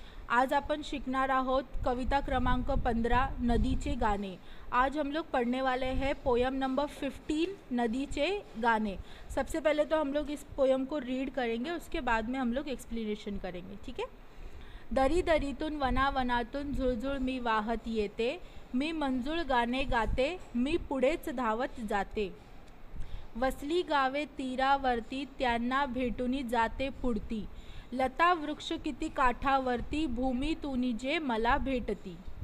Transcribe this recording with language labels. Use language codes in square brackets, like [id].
[mr] आज अपन शिकणार आहोत कविता क्रमांक 15, नदीचे गाने. [hi] आज हम लोग पढ़ने वाले हैं पोयम नंबर 15, नदीचे गाने. सबसे पहले तो हम लोग इस पोयम को रीड करेंगे, उसके बाद में हम लोग एक्सप्लेनेशन करेंगे, ठीक है. [mr] दरी दरीतून वना वनातून झुळझुळ मी वाहत येते, मी मंजूळ गाणे गाते, मी पुढेच धावत जाते. वसली गावे तीरावरती, त्यांना भेटूनी जाते पुढती. लता वृक्ष किती काठावरती, भूमी तुनी जे मला भेटती.